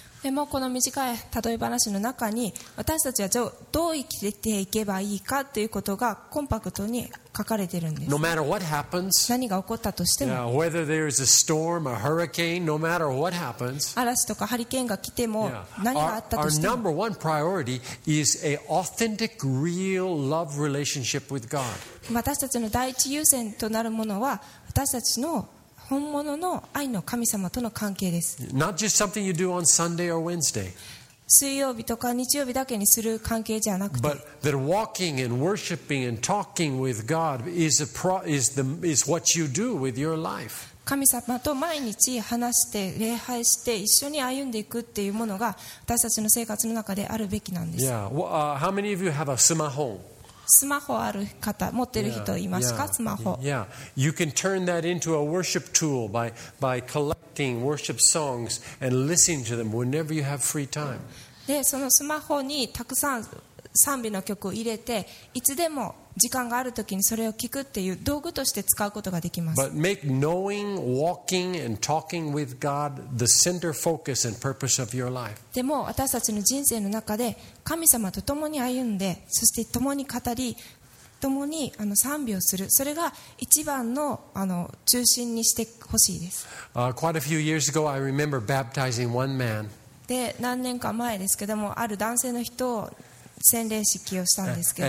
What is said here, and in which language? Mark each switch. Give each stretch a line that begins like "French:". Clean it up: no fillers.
Japanese: でもこの短い例え話の中に私たちはどう生きていけばいいかということがコンパクトに書かれているんです。
English: No matter what happens,
Japanese: 何が起こったとしても、
English: yeah, whether there is a storm, a hurricane, no matter what happens,
Japanese: 嵐とかハリケーンが来ても何があったとしても、
English: our number one priority is a authentic, real love relationship with God.
Japanese: 私たちの第一優先となるものは私たちの本物の愛の神様との関係です。
English: Not just something you do on Sunday or Wednesday.
Japanese: 水曜日とか日曜日だけにする関係じゃなくて、
English: but that walking and worshiping and talking with God is what you do with your life.
Japanese: 神様と毎日話して礼拝して一緒に歩んでいくっていうものが私たちの生活の中であるべきなんです。
English: Yeah. Well, how many of you have a smartphone?
Japanese: スマホある方持ってる人いますか？
English: yeah,
Japanese: yeah, スマホ。
English: Yeah, you can turn that into a worship tool by collecting worship songs and listening to them whenever you have free time.
Japanese: で、そのスマホにたくさん賛美の曲を入れて、いつでも時間があるときにそれを聞くっていう道具として使うことができます。
English: But make knowing, walking, and talking with God the center focus and purpose of your life.
Japanese: でも私たちの人生の中で神様と共に歩んで、そして共に語り、共に賛美をする、それが一番の中心にしてほしいです。
English: Quite a few years ago, I remember baptizing one man.
Japanese: で、何年か前ですけども、ある男性の人を洗礼式をしたんですけど、